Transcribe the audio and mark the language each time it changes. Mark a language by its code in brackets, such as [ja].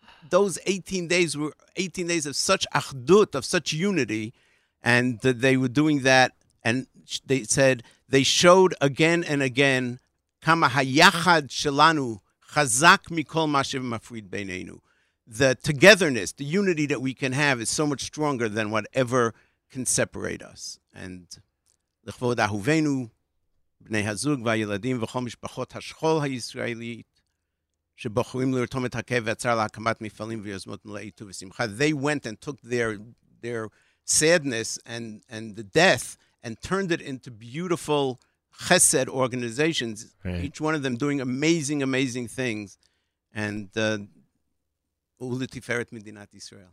[en] Those 18 days were 18 days of such achdut, of such unity, and they were doing that, and they said, they showed again and again, [he] kama hayachad shelanu chazak mikol mashiv mafrid beinenu. [en] The togetherness, the unity that we can have is so much stronger than whatever can separate us. [he] And lechvod ahuvenu, בני הזוג והילדים וכל משפחות השכול הישראלית שבוחרים לרתום את הכאב והצער להקמת מפעלים ויוזמות מלאי טוב ושמחה. [en] They went and took their sadness and the death and turned it into beautiful chesed organizations, right. Each one of them doing amazing, amazing things. [he] And ולתפארת מדינת ישראל.